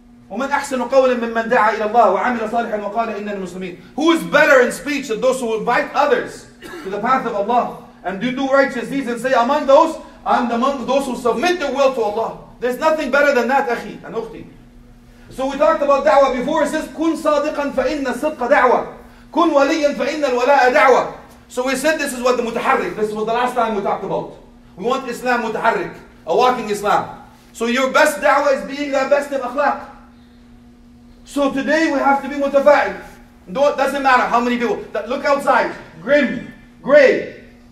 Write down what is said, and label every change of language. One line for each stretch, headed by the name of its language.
Arabic: وَمَنْ أَحْسَنُ قَوْلًا مِمَّنْ دَعَى إِلَى اللَّهِ وَعَمِلَ صَالِحًا وَقَالَ إِنَّا الْمُسْلِمِينَ.
English: Who is better in speech than those who invite others to the path of Allah and do righteous deeds and say, among those, I'm among those who submit their will to Allah. There's nothing better than that,
Arabic: أخي
English: and
Arabic: أختي.
English: So we talked about da'wah before. It says,
Arabic: كُنْ صَادِقًا فَإِنَّ صِدْقَ دَعْوَةً كُنْ وَلِيًّا فَإِنَّ الْوَلَاءَ دَعْوَةً.
English: So we said this is what the mutaharrik. This was the last time we talked about. We want Islam mutaharrik, a walking Islam. So your best da'wah is being the best of akhlaq. So today we have to be mutafa'il. Doesn't matter how many people. Look outside, grim, gray.